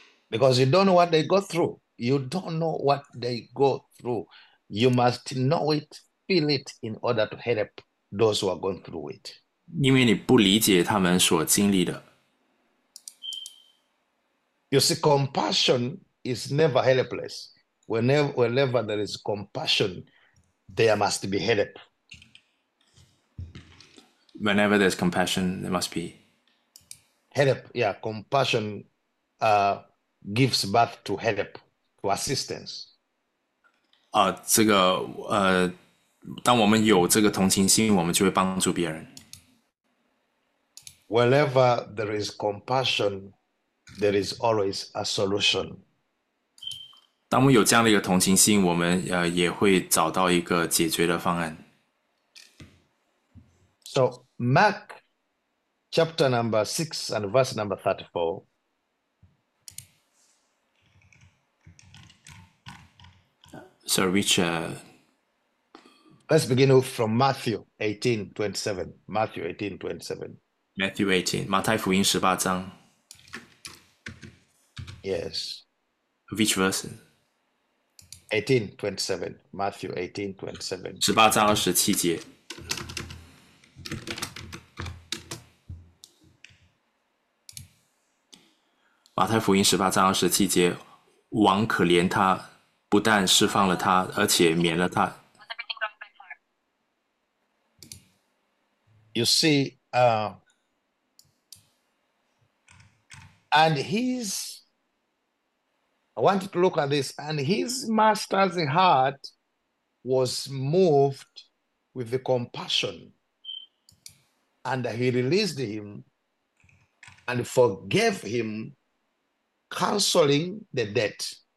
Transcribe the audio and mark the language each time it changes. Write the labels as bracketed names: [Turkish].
[English] Because you don't know what they go through. You don't know what they go through. You must know it, feel it, in order to help those who are going through it. [Chinese] 因为你不理解他们所经历的。 [English] You see, compassion is never helpless. Whenever there is compassion, there must be help. Whenever there's compassion, there must be. Help, yeah, compassion gives birth to help, to assistance. [Chinese] 这个当我们有这个同情心，我们就会帮助别人。 [English] Wherever there is compassion, there is always a solution. [Chinese] 当我们有这样的一个同情心，我们也会找到一个解决的方案。 [English] So, Mark chapter number 6 and verse number 34. So, Richard. Let's begin from Matthew 18, 27. Matthew 18, 27. [Chinese] Matthew 18, 马太福音十八章。 [English] Yes. Which verse? 18, 27. Matthew 18, 27. [Chinese] 18:27。马太福音18章27节，王可怜他，不但释放了他，而且免了他。 [English] You see, and his, I want you to look at this, and his master's heart was moved with the compassion, and he released him and forgave him, canceling the debt.